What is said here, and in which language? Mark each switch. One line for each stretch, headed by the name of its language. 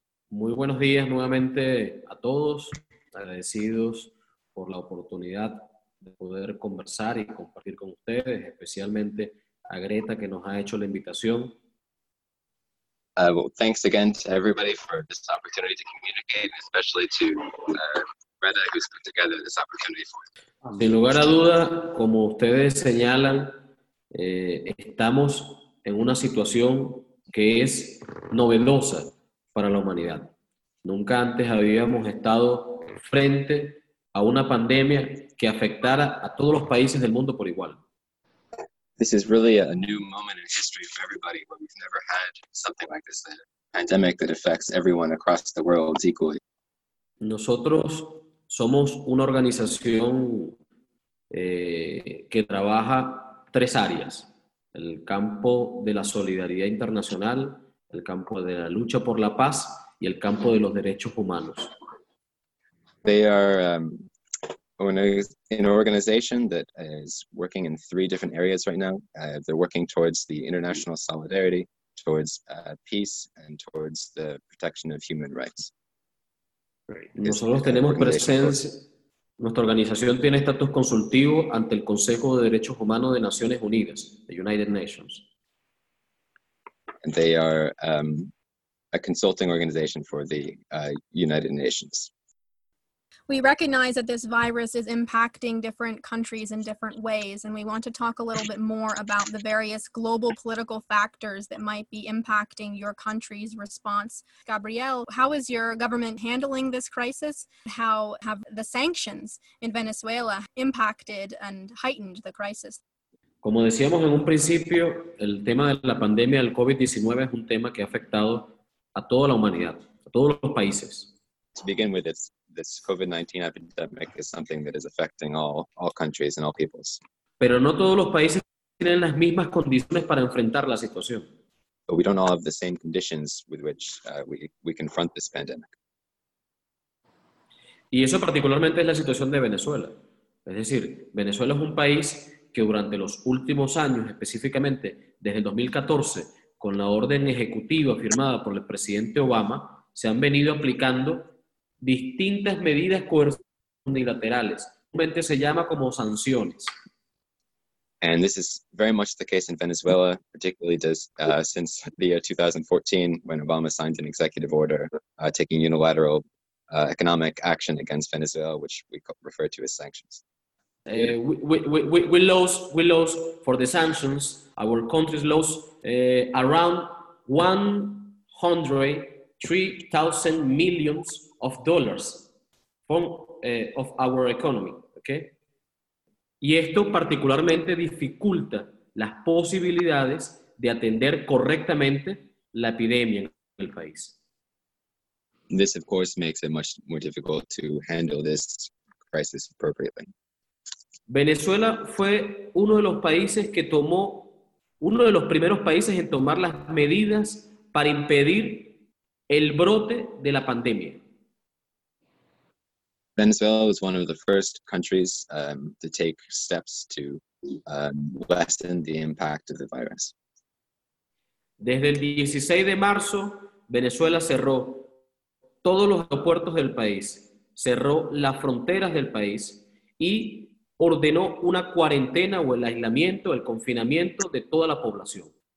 Spanish: Muy buenos días nuevamente a todos, agradecidos por la oportunidad de poder conversar y compartir con ustedes, especialmente a Greta que nos ha hecho la invitación.
English: Well, thanks again to everybody for this opportunity to communicate, especially to Greta who's put together this opportunity for us.
Spanish: Sin lugar a duda, como ustedes señalan, estamos en una situación que es novedosa para la humanidad. Nunca antes habíamos estado frente a una pandemia que afectara a todos los países del mundo por igual.
English: This is really a new moment in history for everybody, when we've never had something like this, a pandemic that affects everyone across the world equally.
Spanish: Nosotros somos una organización que trabaja tres áreas: el campo de la solidaridad internacional, el campo de la lucha por la paz y el campo de los derechos humanos.
English: They are an organization that is working in three different areas right now. They're working towards the international solidarity, towards peace, and towards the protection of human rights.
Spanish: Right. Nosotros tenemos presencia, nuestra organización tiene estatus consultivo ante el Consejo de Derechos Humanos de Naciones Unidas, the United Nations.
English: They are a consulting organization for the United Nations. We recognize that this virus is impacting different countries in different ways, and we want to talk a little bit more about the various global political factors that might be impacting your country's response. Gabrielle, how is your government handling this crisis? How have the sanctions in Venezuela impacted and heightened the crisis?
Spanish: Como decíamos en un principio, el tema de la pandemia del COVID-19 es un tema que ha afectado a toda la humanidad, a todos los países.
English: To begin with, this COVID-19 epidemic is something that is affecting all countries and all peoples.
Spanish: Pero no todos los países tienen las mismas condiciones para enfrentar la situación.
English: But we don't all have the same conditions with which we confront this pandemic.
Spanish: Y eso particularmente es la situación de Venezuela. Es decir, Venezuela es un país que durante los últimos años, específicamente desde el 2014, con la orden ejecutiva firmada por el presidente Obama, se han venido aplicando distintas medidas coercitivas unilaterales. Normalmente se llama como sanciones.
English: And this is very much the case in Venezuela, particularly since the year 2014, when Obama signed an executive order taking unilateral economic action against Venezuela, which we refer to as sanctions. We laws for the sanctions, our country's laws, around 103 3,000 millions of dollars of our economy, okay?
Spanish: Y esto particularmente dificulta las posibilidades de atender correctamente la epidemia en el país.
English: This, of course, makes it much more difficult to handle this crisis appropriately.
Spanish: Venezuela fue uno de los países que tomó, uno de los primeros países en tomar las medidas para impedir el brote de la pandemia.
English: Venezuela was one of the first countries to take steps to lessen the impact of the virus.
Spanish: Desde el 16 de marzo, Venezuela cerró todos los aeropuertos del país, cerró las fronteras del país y ordenó una cuarentena o el aislamiento, el confinamiento de toda la población.